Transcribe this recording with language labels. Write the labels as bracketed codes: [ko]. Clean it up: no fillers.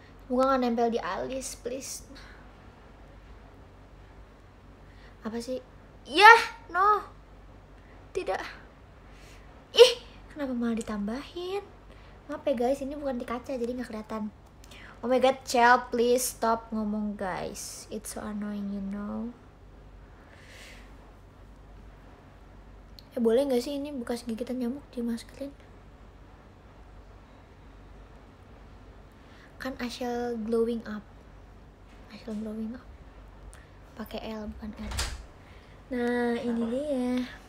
[id] Semoga gak nempel di alis, please. Apa sih? Yah, no. Tidak. Ih, kenapa malah ditambahin? Maaf ya guys, ini bukan di kaca jadi gak kelihatan. [en] Oh my god, Chel, please stop ngomong guys. It's so annoying, you know. [id] Eh, boleh gak sih ini bekas gigitan nyamuk di maskerin? Kan Ashel glowing up. Ashel glowing up. Pakai L bukan R. Nah, ini dia.